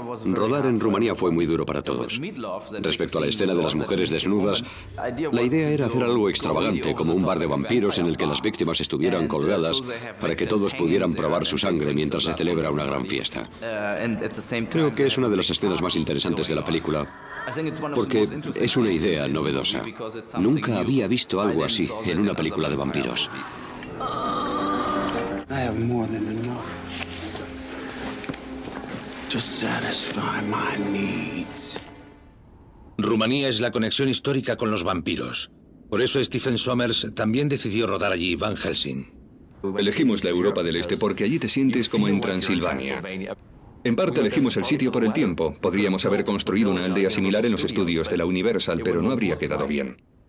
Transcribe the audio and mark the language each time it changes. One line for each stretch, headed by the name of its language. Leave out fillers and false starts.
Spanish: Rodar en Rumanía fue muy duro para todos. Respecto a la escena de las mujeres desnudas, la idea era hacer algo extravagante, como un bar de vampiros en el que las víctimas estuvieran colgadas para que todos pudieran probar su sangre mientras se celebra una gran fiesta. Creo que es una de las escenas más interesantes de la película, porque es una idea novedosa. Nunca había visto algo así en una película de vampiros.
English: I have more than enough to satisfy my needs.
Spanish: Rumanía es la conexión histórica con los vampiros. Por eso Stephen Sommers también decidió rodar allí Van Helsing. Elegimos la Europa del Este porque allí te sientes como en Transilvania. En parte elegimos el sitio por el tiempo. Podríamos haber construido una aldea similar en los estudios de la Universal, pero no habría quedado bien.